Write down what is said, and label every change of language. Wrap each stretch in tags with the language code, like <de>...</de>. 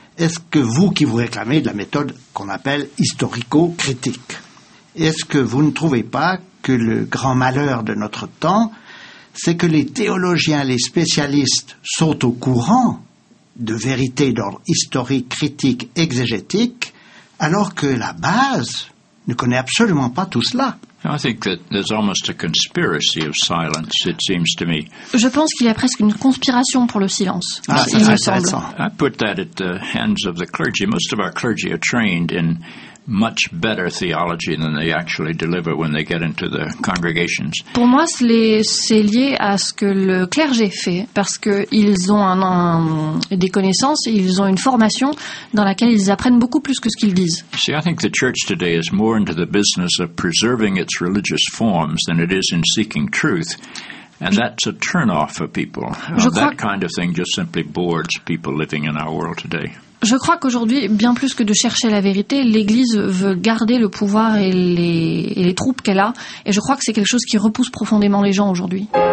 <fr>Est-ce que vous, qui vous réclamez de la méthode qu'on appelle historico-critique, est-ce que vous ne trouvez pas que le grand malheur de notre temps, c'est que les théologiens, les spécialistes sont au courant de vérités d'ordre historique, critique, exégétique, alors que la base ne connaît absolument pas tout cela.</fr> <en>I think that there's almost a conspiracy of silence, it seems to me.</en> <fr>Je pense qu'il y a presque une conspiration pour le silence, il me semble.</fr> <en>I put that at the hands of the clergy. Most of our clergy are trained in much better theology than they actually deliver when they get into the congregations.</en> <fr>Pour moi, c'est lié à ce que le clergé fait, parce qu'ils ont des connaissances, ils ont une formation dans laquelle ils apprennent beaucoup plus que ce qu'ils disent.</fr> <en>See, I think the church today is more into the business of preserving its religious forms than it is in seeking truth. And that's a turn-off for people. That kind of thing just simply bores people living in our world today.</en> <fr>Je crois qu'aujourd'hui, bien plus que de chercher la vérité, l'Église veut garder le pouvoir et les troupes qu'elle a. Et je crois que c'est quelque chose qui repousse profondément les gens aujourd'hui.</fr>